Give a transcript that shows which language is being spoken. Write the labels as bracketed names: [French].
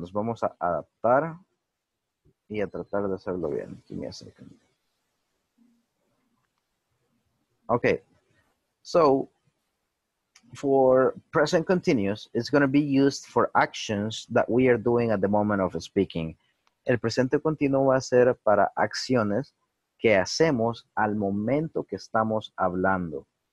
[Spanish] Nos vamos a adaptar y a tratar de hacerlo bien. [English] Give me a second. Okay, so for present continuous, it's going to be used for actions that we are doing at the moment of speaking. [Spanish] El presente continuo va a ser para acciones que hacemos al momento que estamos hablando.